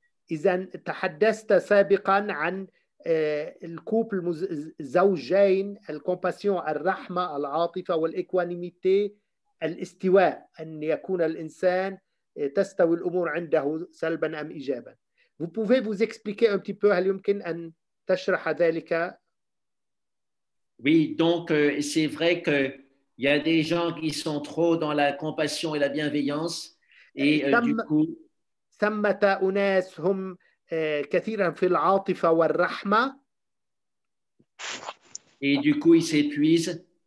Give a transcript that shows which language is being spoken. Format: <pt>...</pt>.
<ar>إذن تحدثت سابقا عن الكوبل زوجين الكومباسيون الرحمة العاطفة والإكوانيميتي الاستواء أن يكون الإنسان تستوي الأمور عنده سلبا أم إيجابا.</ar> <fr>Vous pouvez vous expliquer un petit peu,</fr> <ar>هل يمكن أن تشرح ذلك؟</ar> <fr>Oui, donc c'est vrai que il y a des gens qui sont trop dans la compassion et la bienveillance et du coup</fr> <ar>ثمة أناس هم كثيرا في العاطفة والرحمة</ar> <fr>et du coup ils s'épuisent</fr>